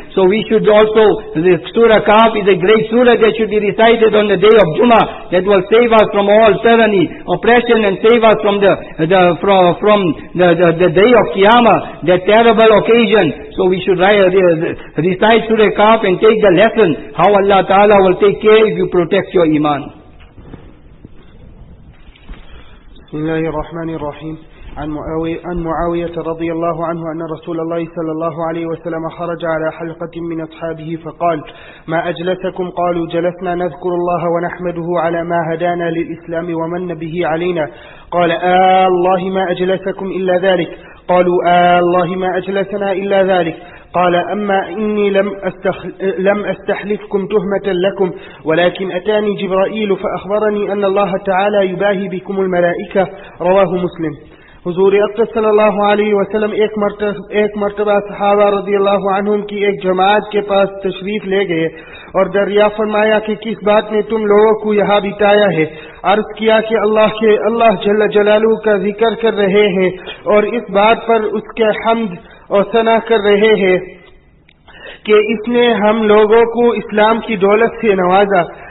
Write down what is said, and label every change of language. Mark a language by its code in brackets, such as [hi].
[en] So we should also, the Surah Kaf is a great surah that should be recited on the day of Jummah, that will save us from all tyranny, oppression, and save us from the day of Qiyamah, that terrible occasion. So we should recite Surah Kaf and take the lesson how Allah Ta'ala will take care if you protect your iman. Bismillahir Rahmanir Rahim. [ar] عن معاوية رضي الله عنه أن رسول الله صلى الله عليه وسلم خرج على حلقة من أصحابه فقال: ما أجلسكم؟ قالوا: جلسنا نذكر الله ونحمده على ما هدانا للإسلام ومن به علينا. قال: آلله ما أجلسكم إلا ذلك. قالوا: آلله ما أجلسنا إلا ذلك. قال: أما إني لم أستحلفكم تهمة لكم، ولكن أتاني جبرائيل فأخبرني أن الله تعالى يباهي بكم الملائكة. رواه مسلم. [ur] حضور اکرم صلی اللہ علیہ وسلم ایک مرتبہ صحابہ رضی اللہ عنہم کی ایک جماعت کے پاس تشریف لے گئے اور دریافت فرمایا کہ کس بات نے تم لوگوں کو یہاں بٹھایا ہے؟ عرض کیا کہ اللہ جل جلالہ کا ذکر کر رہے ہیں اور اس بات پر اس کے حمد اور ثنا کر رہے ہیں کہ اس نے ہم لوگوں کو اسلام کی دولت سے نوازا.